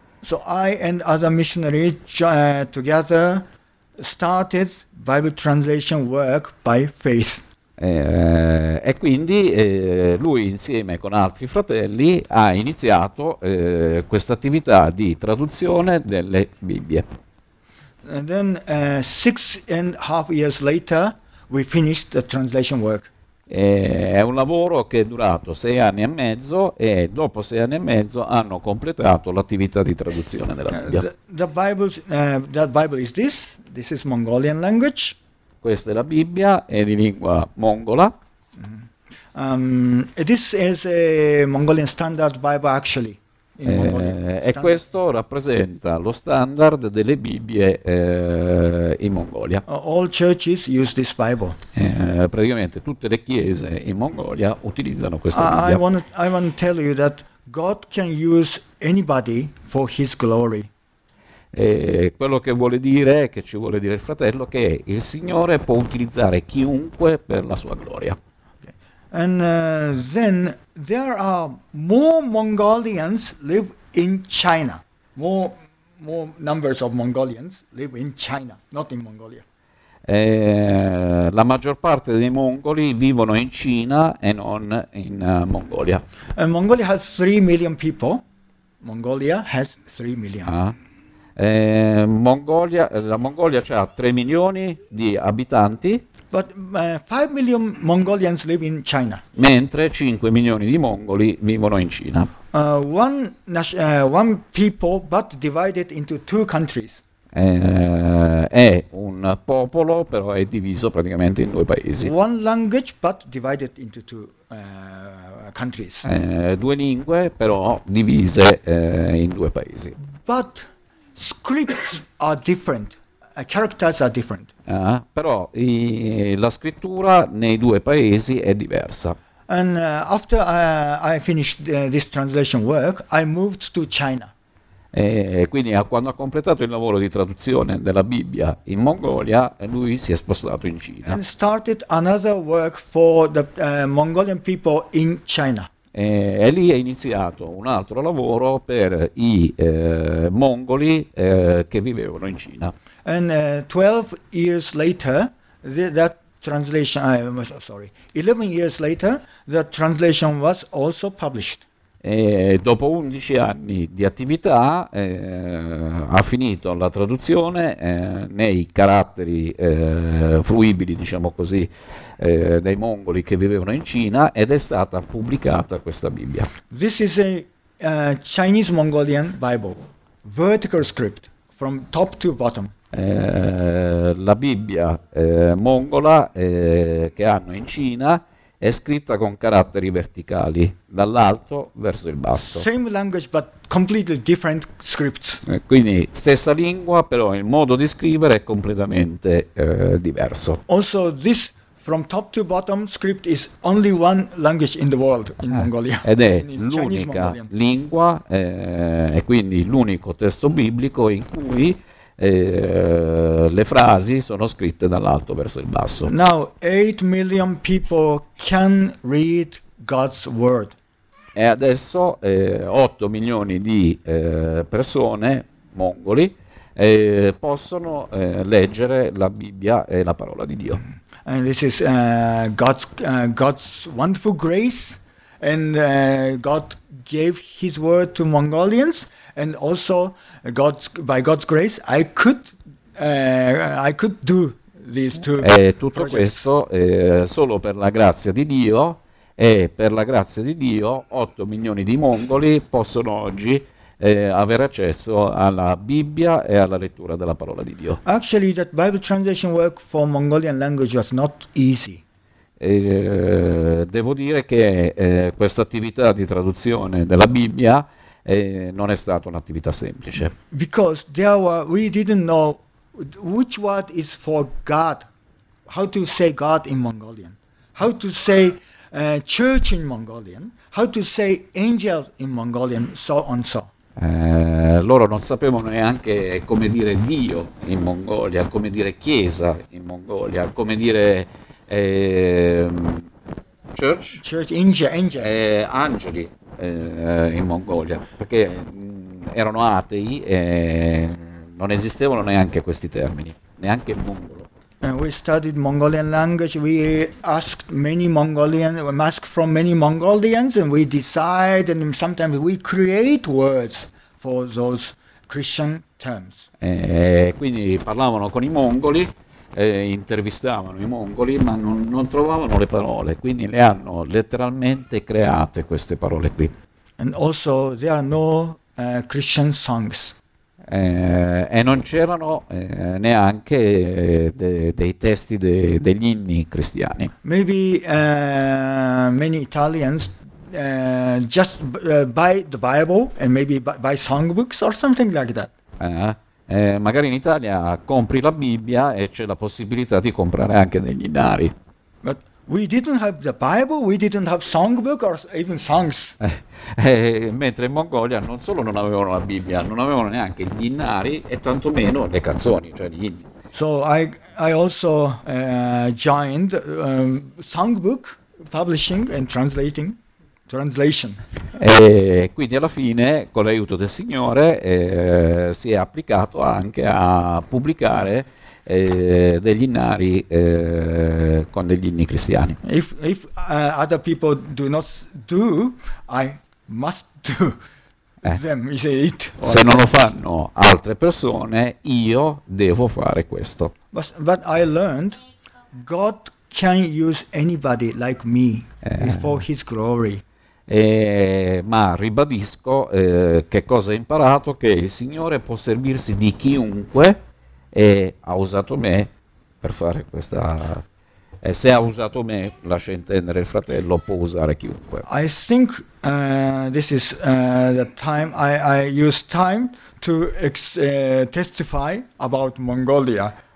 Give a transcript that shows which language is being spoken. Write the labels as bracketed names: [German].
[English] So I and other missionaries together started Bible translation work by faith. [Italian] E quindi lui insieme con altri fratelli ha iniziato questa attività di traduzione delle Bibbie. [English] And then 6.5 years later, we finished the translation work. [Italian] È un lavoro che è durato 6 anni e mezzo e dopo 6 anni e mezzo hanno completato l'attività di traduzione della Bibbia. [English] The Bible is this. This is Mongolian language. [Italian] Questa è la Bibbia, è di lingua mongola. [English] This is a Mongolian standard Bible, actually, in Mongolian [Italian] E [English] standard. [Italian] questo rappresenta lo standard delle Bibbie in Mongolia. [English] All churches use this Bible. [Italian] Praticamente tutte le chiese in Mongolia utilizzano questa Bibbia. [English] I want to tell you that God can use anybody for His glory. [Italian] E quello che vuole dire, che ci vuole dire il fratello, che il Signore può utilizzare chiunque per la sua gloria. [English] And then there are more Mongolians live in China. More numbers of Mongolians live in China, not in Mongolia. [Italian] La maggior parte dei mongoli vivono in Cina e non in Mongolia. [English] And Mongolia has 3 million people. Mongolia has 3 million. [Italian] La Mongolia ha 3 milioni di abitanti, [English] But 5 million Mongolians live in China. [Italian] mentre 5 milioni di mongoli vivono in Cina. [English] One people, but divided into two countries. [Italian] È un popolo, però è diviso praticamente in due paesi. [English] One language, but divided into two countries. [Italian] Due lingue, però divise in due paesi. [English] But scripts are different. characters are different. [Italian] Però la scrittura nei due paesi è diversa. [English] And after I finished this translation work, I moved to China. [Italian] E quindi quando ha completato il lavoro di traduzione della Bibbia in Mongolia, lui si è spostato in Cina. [English] And started another work for the Mongolian people in China. [Italian] E lì è iniziato un altro lavoro per i mongoli che vivevano in Cina. [English] And 12 years later, that translation, I'm sorry, 11 years later, that translation was also published. [Italian] E dopo 11 anni di attività ha finito la traduzione nei caratteri fruibili, diciamo così, dei mongoli che vivevano in Cina, ed è stata pubblicata questa Bibbia. [English] This is a Chinese Mongolian Bible, vertical script from top to bottom. [Italian] La Bibbia mongola che hanno in Cina è scritta con caratteri verticali, dall'alto verso il basso. [English] Same language but completely different scripts. [Italian] Quindi stessa lingua, però il modo di scrivere è completamente diverso. [English] Also this from top to bottom script is only one language in the world, in Mongolia. [Italian] Ed è l'unica lingua, e quindi l'unico testo biblico in cui le frasi sono scritte dall'alto verso il basso. [English] Now 8 million people can read God's word. [Italian] E adesso 8 milioni di persone mongoli possono leggere la Bibbia e la parola di Dio. [English] And this is God's wonderful grace, and God gave his word to Mongolians. And also, by God's grace, I could do these two. [Italian] È tutto [English] projects. [Italian] Questo solo per la grazia di Dio, e per la grazia di Dio 8 milioni di mongoli possono oggi avere accesso alla Bibbia e alla lettura della parola di Dio. [English] Actually, that Bible translation work for Mongolian language was not easy. [Italian] Devo dire che questa attività di traduzione della Bibbia non è stata un'attività semplice. [English] Because there were, we didn't know which word is for God, how to say God in Mongolian, how to say church in Mongolian, how to say angel in Mongolian, so on so. [Italian] Loro non sapevano neanche come dire Dio in Mongolia, come dire chiesa in Mongolia, come dire church [English] angel. [Italian] Angeli. In Mongolia, perché erano atei e non esistevano neanche questi termini, neanche il mongolo. [English] We studied Mongolian language, we asked many Mongolian, we asked from many Mongolians, and we decide, and sometimes we create words for those Christian terms. [Italian] Quindi parlavano con i mongoli, intervistavano i mongoli, ma non trovavano le parole, quindi le hanno letteralmente create queste parole qui. [English] And also there are no Christian songs. [Italian] E non c'erano neanche dei testi degli inni cristiani. [English] Maybe many Italians just buy the Bible and maybe buy songbooks or something like that. [Italian] Magari in Italia compri la Bibbia e c'è la possibilità di comprare anche degli inari. [English] But we didn't have the Bible, we didn't have songbook or even songs. [Italian] Mentre in Mongolia non solo non avevano la Bibbia, non avevano neanche gli inari e tantomeno le canzoni, cioè gli inni. [English] So I also joined songbook publishing and translating. Translation. [Italian] Quindi alla fine, con l'aiuto del Signore, si è applicato anche a pubblicare degli inari con degli inni cristiani. [English] If other people do not do, I must do them. [Italian] Se non lo fanno altre persone, io devo fare questo. [English] But I learned God can use anybody like me for his glory. [Italian] Ma ribadisco che cosa ho imparato, che il Signore può servirsi di chiunque, e ha usato me per fare questa e se ha usato me, lascia intendere il fratello, può usare chiunque. [English] I think this is the time I use time to testify about Mongolia.